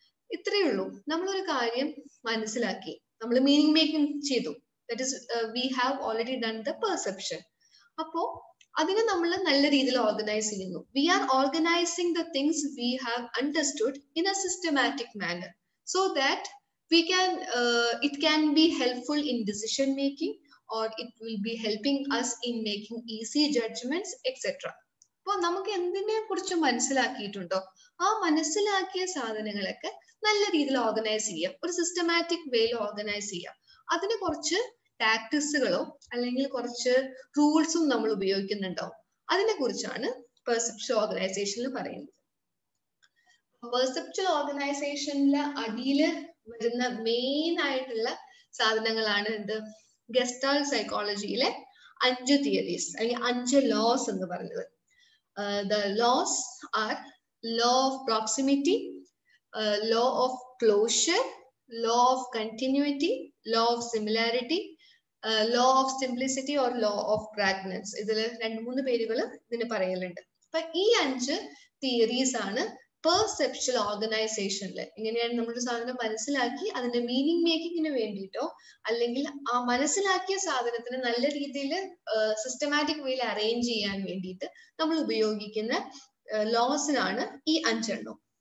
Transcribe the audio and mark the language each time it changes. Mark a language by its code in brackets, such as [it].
[ml] ഇത്രയേ ഉള്ളൂ, നമ്മളൊരു കാര്യം മനസ്സിലാക്കി, നമ്മൾ മീനിങ് മേക്കിംഗ് ചെയ്തു, [en] That is we have already done the perception. [ml] അപ്പോ അതിനെ നമ്മൾ നല്ല രീതിയിൽ ഓർഗനൈസ് ചെയ്യുന്നു. [en] We are organising the things we have understood in a systematic manner, so that we can it can be helpful in decision making or it will be helping us in making easy judgments, etc. [ml] അപ്പോ നമുക്ക് എന്തിനെ കുറിച്ച് മനസ്സിലാക്കിയിട്ടുണ്ടോ ആ മനസ്സിലാക്കിയ സാധനങ്ങളൊക്കെ നല്ല രീതിയിൽ organise ചെയ്യാം, ഒരു സിസ്റ്റമാറ്റിക് വേയിൽ ഓർഗനൈസ് ചെയ്യാം. അതിന് കുറച്ച് ടാക്ടിക്സുകളോ അല്ലെങ്കിൽ കുറച്ച് റൂൾസും നമ്മൾ ഉപയോഗിക്കുന്നുണ്ടോ, അതിനെ കുറിച്ചാണ് പെർസെപ്ച്വൽ ഓർഗനൈസേഷനിൽ പറയുന്നത്. പെർസെപ്ച്വൽ ഓർഗനൈസേഷനിലെ അടിയിൽ വരുന്ന മെയിൻ ആയിട്ടുള്ള സാധനങ്ങളാണ് എന്ത്, ഗെസ്റ്റാൾട്ട് സൈക്കോളജിയിലെ അഞ്ച് തിയറീസ് അല്ലെങ്കിൽ അഞ്ച് ലോസ് എന്ന് പറയുന്നത്. [en] The laws are law of proximity, law of closure, law of continuity, law of similarity, law of simplicity or law of pragmatism. [ml] ഇതിലെ രണ്ട് മൂന്ന് പേരുകളും ഇതിന് പറയലുണ്ട്. അപ്പൊ ഈ അഞ്ച് തിയറീസ് ആണ് പെർസെപ്ച്വൽ ഓർഗനൈസേഷനിൽ ഇങ്ങനെയാണ് നമ്മുടെ സാധനം മനസ്സിലാക്കി അതിന്റെ മീനിങ് മേക്കിങ്ങിന് വേണ്ടിയിട്ടോ അല്ലെങ്കിൽ ആ മനസ്സിലാക്കിയ സാധനത്തിന് നല്ല രീതിയിൽ സിസ്റ്റമാറ്റിക് വേയിൽ അറേഞ്ച് ചെയ്യാൻ വേണ്ടിയിട്ട് നമ്മൾ ഉപയോഗിക്കുന്ന ലോസിനാണ് ഈ അഞ്ചെണ്ണം.